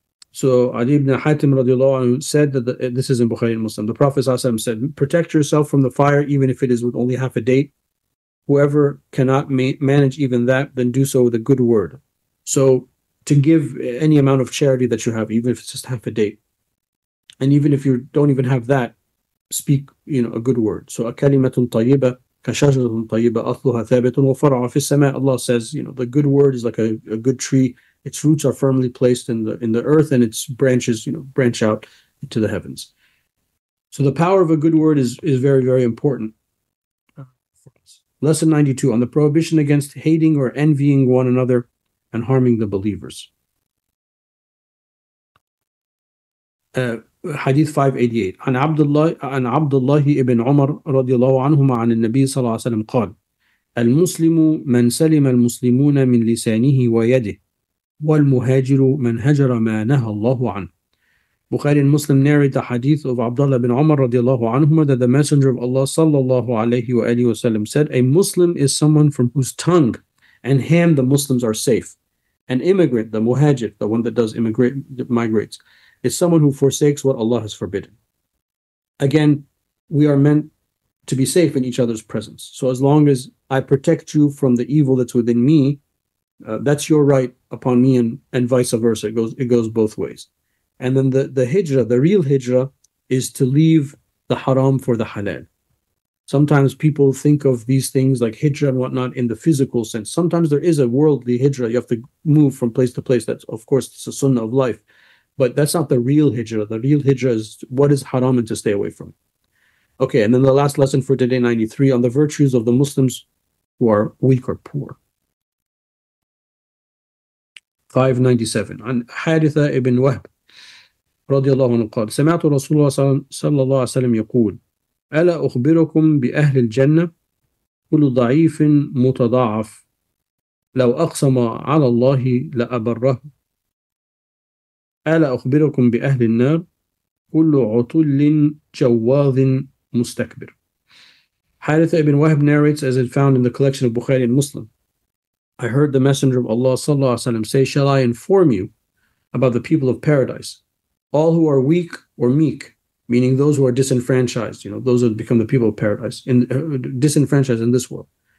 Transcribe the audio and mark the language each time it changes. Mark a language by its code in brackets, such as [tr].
[en] So Ali ibn Hatim radiallahu anhu said that this is in Bukhari and Muslim. The Prophet ﷺ said, protect yourself from the fire even if it is with only half a date. Whoever cannot manage even that, then do so with a good word. So to give any amount of charity that you have, even if it's just half a date, and even if you don't even have that, speak, you know, a good word. So a [ar] كلمة طيبة كشجرة طيبة أصلها ثابت وفرعها في السماء. [en] Allah says, you know, the good word is like a good tree. Its roots are firmly placed in the earth, and its branches, you know, branch out to the heavens. So the power of a good word is very, very important. Lesson 92, on the prohibition against hating or envying one another and harming the believers. Hadith 588. [ar] عن عبد الله ابن عمر رضي الله عنهما عن النبي صلى الله عليه وسلم قال: المسلم من سلم المسلمون من لسانه ويده، والمهاجر من هجر ما نهى الله عنه. [en] Bukhari and Muslim narrate the hadith of Abdullah bin Umar radiallahu anhuma that the Messenger of Allah sallallahu alayhi wa alayhi wa sallam said, a Muslim is someone from whose tongue and hand the Muslims are safe. An immigrant, the muhajir, the one that does immigrate, that migrates, is someone who forsakes what Allah has forbidden. Again, we are meant to be safe in each other's presence. So as long as I protect you from the evil that's within me, that's your right upon me, and vice versa. It goes both ways. And then the hijrah, the real hijrah, is to leave the haram for the halal. Sometimes people think of these things like hijrah and whatnot in the physical sense. Sometimes there is a worldly hijrah. You have to move from place to place. That's, of course, it's a sunnah of life. But that's not the real hijrah. The real hijrah is what is haram and to stay away from. Okay, and then the last lesson for today, 93, on the virtues of the Muslims who are weak or poor. 597. [ar] On Haritha ibn Wahb, radiallahu anhu, qad, sami'tu Rasulullah sallallahu alayhi wa sallam yaqul, ألا أخبركم بأهل الجنة كل ضعيف متضاعف لو أقسم على الله لأبره ألا أخبركم بأهل النار كل عطل جواذ مستكبر. [en] حارثة بن وهب narrates, as it found in the collection of Bukhari and Muslim, I heard the Messenger of Allah صلى الله عليه وسلم say, shall I inform you about the people of paradise, all who are weak or meek, meaning those who are disenfranchised, you know, those who become the people of paradise, disenfranchised in this world.